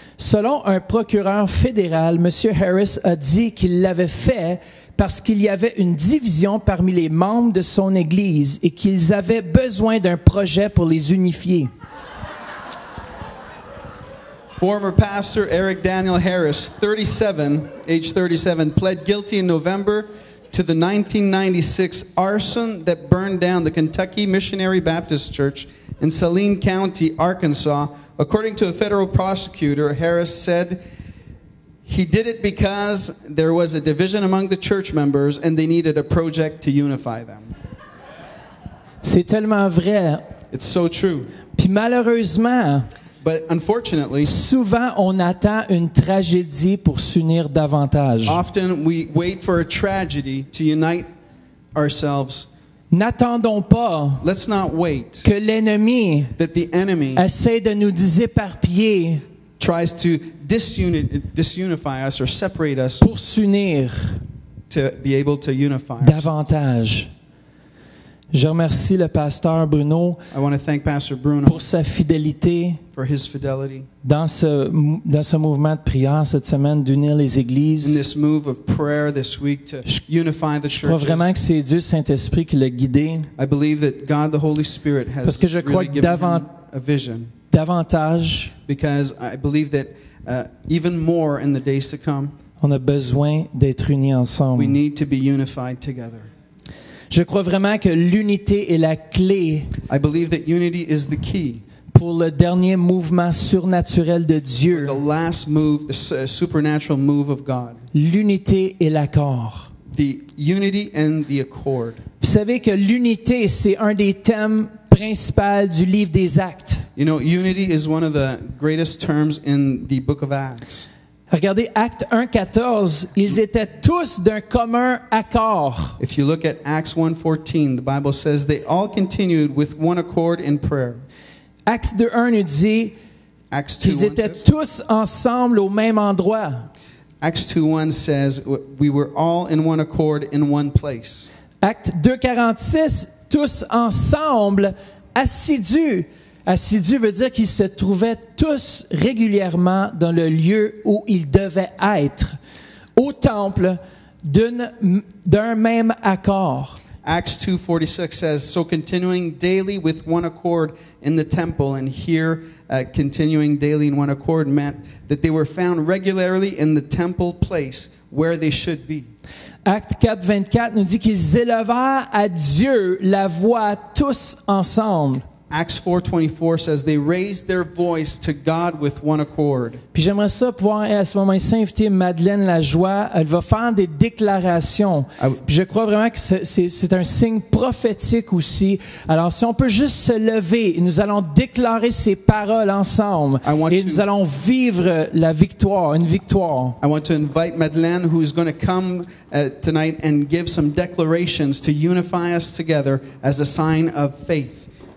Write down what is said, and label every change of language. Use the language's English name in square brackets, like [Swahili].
[French] Selon un procureur fédéral, M. Harris a dit qu'il l'avait fait parce qu'il y avait une division parmi les membres de son église et qu'ils avaient besoin d'un projet pour les unifier. [English] Former pastor Eric Daniel Harris, 37, age 37, pled guilty in November to the 1996 arson that burned down the Kentucky Missionary Baptist Church in Saline County, Arkansas. According to a federal prosecutor, Harris said, he did it because there was a division among the church members and they needed a project to unify them. [French] C'est tellement vrai. [English] It's so true. [French] Puis malheureusement, [English] but unfortunately, [French] souvent on attend une tragédie pour s'unir davantage. [English] Often we wait for a tragedy to unite ourselves. [French] N'attendons pas [English] let's not wait [French] que l'ennemi [English] that the enemy [French] essaie de nous éparpiller [English] tries to disunify us or separate us [French] pour s'unir [English] to be able to unify [French] davantage. Je remercie le pasteur Bruno, [English] I want to thank Pastor Bruno [French] pour sa fidélité [English] for his fidelity [French] dans ce mouvement de prière cette semaine d'unir les églises. [English] In this move of prayer this week to unify the churches. [French] Je crois vraiment que c'est Dieu Saint-Esprit qui l'a guidé. [English] I believe that God the Holy Spirit has [French] parce que je crois [English] really given him a vision. [French] Davantage [English] because I believe that even more in the days to come. [French] On a besoin d'être unis ensemble. [English] We need to be unified together. [French] Je crois vraiment que l'unité est la clé [English] I believe that unity is the key [French] pour le dernier mouvement surnaturel de Dieu. [English] The last move, the supernatural move of God. [French] L'unité et l'accord. [English] The unity and the accord. [French] Vous savez que l'unité, c'est un des thèmes principaux du livre des Actes. [English] You know, unity is one of the greatest terms in the book of Acts. [French] Regardez Acte 1:14, ils étaient tous d'un commun accord. [English] If you look at Acts 1:14, the Bible says they all continued with one accord in prayer. [French] Acte 2:1 nous dit [English] Acts 2:1 [French] ils étaient tous ensemble au même endroit. [English] Acts 2:1 says we were all in one accord in one place. [French] Acte 2:46, tous ensemble assidus. Assidu veut dire qu'ils se trouvaient tous régulièrement dans le lieu où ils devaient être, au temple, d'un même accord. [English] Acts 2:46 says, so continuing daily with one accord in the temple, and here, continuing daily in one accord meant that they were found regularly in the temple place where they should be. [French] Acte 4:24 nous dit qu'ils élevèrent à Dieu la voix tous ensemble. [English] Acts 4:24 says they raised their voice to God with one accord. [French] Puis j'aimerais ça pouvoir à ce moment-ci inviter Madeleine Lajoie. Elle va faire des déclarations. Puis je crois vraiment que c'est un signe prophétique aussi. Alors si on peut juste se lever, nous allons déclarer ces paroles ensemble et nous allons vivre la victoire, une victoire. [English] I want to invite Madeleine, who is going to come tonight and give some declarations to unify us together as a sign of faith.